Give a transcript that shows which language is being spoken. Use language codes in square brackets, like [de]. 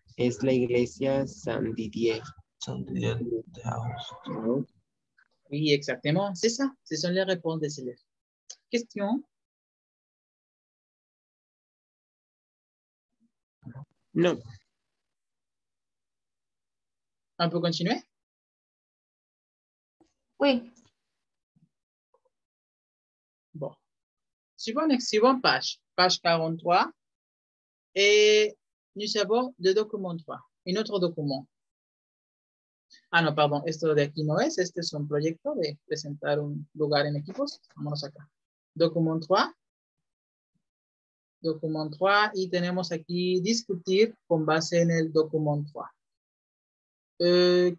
[es] Es la iglesia Saint Didier. Saint Didier de Aoste. [fr] Oui, exactement. C'est ça. C'est ça la réponse de Céleste. Question? Non. On peut continuer? Oui. Suivant page 43, et nous avons le document 3, un autre document. Ah non, pardon, [es] esto de aquí no es, este es un proyecto de presentar un lugar en equipos. Vámonos acá. Document 3, y tenemos aquí discutir con base en el document 3.